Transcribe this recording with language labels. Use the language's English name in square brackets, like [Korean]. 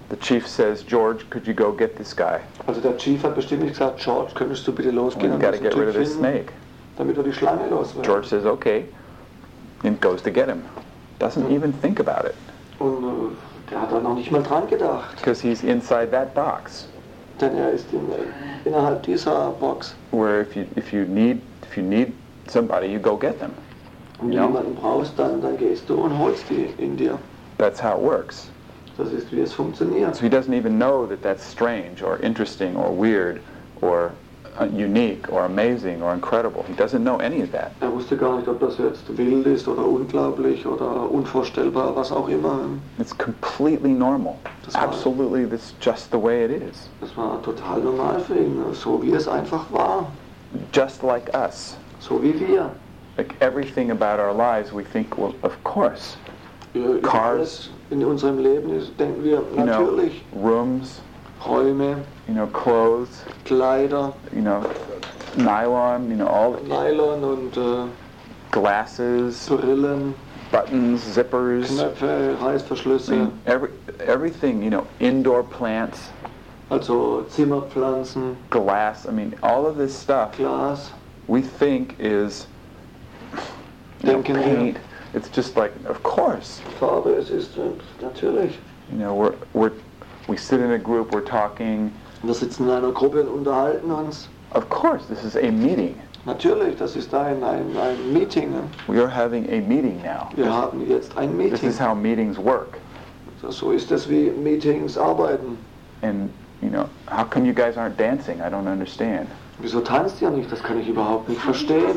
[English] The chief says, George, could you go get this guy? [German] Also der Chief hat bestimmt nicht gesagt, George, könntest du bitte losgehen und diesen Typ finden, [English] snake. [German] Damit wir die Schlange loswerden. [English] George says, okay, and goes to get him. Doesn't even think about it. [German] Und der hat da noch nicht mal dran gedacht. [English] Because he's inside that box. [German] Denn er ist innerhalb dieser Box. [English] Where if you need somebody, you go get them. [German] Wenn du jemanden brauchst, dann gehst du und holst die in dir. [English] That's how it works. [German] Das ist, wie es funktioniert. [English] So he doesn't even know that that's strange or interesting or weird or unique or amazing or incredible. He doesn't know any of that. [German] Er wusste gar nicht, ob das jetzt wild ist oder unglaublich oder unvorstellbar, was auch immer. [English] It's completely normal. Absolutely, this just the way it is. [German] Das war total normal für ihn, so wie es einfach war. [English] Just like us. [German] So wie wir. [English] Like everything about our lives, we think, well, of course. Cars. [German] In unserem Leben denken wir natürlich. [English] You know, rooms. [German] Räume. [English] You know, clothes. [German] Kleider. [English] You know, nylon. You know, all. [German] Nylon und. [English] Glasses. [German] Brillen. [English] Buttons, zippers. [German] Knöpfe, Reißverschlüsse. [English] Everything. You know, indoor plants. [German] Also Zimmerpflanzen. [English] Glass, I mean, all of this stuff. [German] Glas. [English] We think is, you know, paint. It's just like, of course. [German] Farbe, es ist natürlich. [English] You know, we sit in a group, we're talking. [German] Wir sitzen in einer Gruppe und unterhalten uns. [English] Of course, this is a meeting. [German] Natürlich, das ist ein Meeting. [English] We are having a meeting now. [German] Wir haben jetzt ein Meeting. [English] This is how meetings work. [German] So ist das, wie Meetings arbeiten. [English] And, you know, how come you guys aren't dancing? I don't understand. [German] Wieso tanzt ihr nicht? Das kann ich überhaupt nicht verstehen.